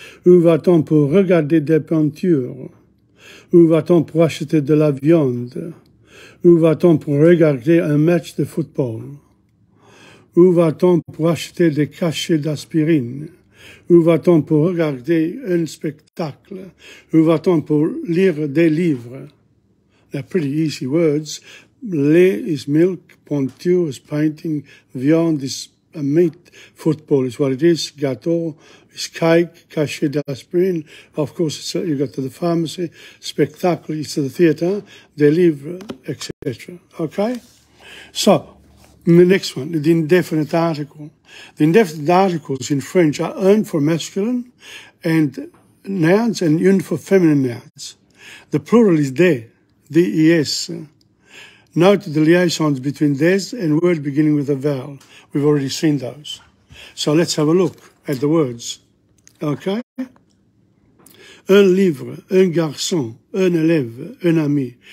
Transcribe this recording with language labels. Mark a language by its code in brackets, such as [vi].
[fr] Où va-t-on pour regarder des peintures? Où va-t-on pour acheter de la viande? Où va-t-on pour regarder un match de football? Où va-t-on pour acheter des cachets d'aspirine? Où va-t-on pour regarder un spectacle? Où va-t-on pour lire des livres? [en] They're pretty easy words. Lait is milk, peinture is painting, viande is meat, football is what it is, gâteau is cake, cachet d'aspirine, of course, it's, you go to the pharmacy, spectacle is to the theatre, des livres, etc. Okay? So, the next one, the indefinite article. The indefinite articles in French are un for masculine and nouns and une for feminine nouns. The plural is des, D-E-S. Note the liaisons between des and words beginning with a vowel. We've already seen those. So let's have a look at the words. Okay? [fr] Un livre, un garçon, un élève, un ami.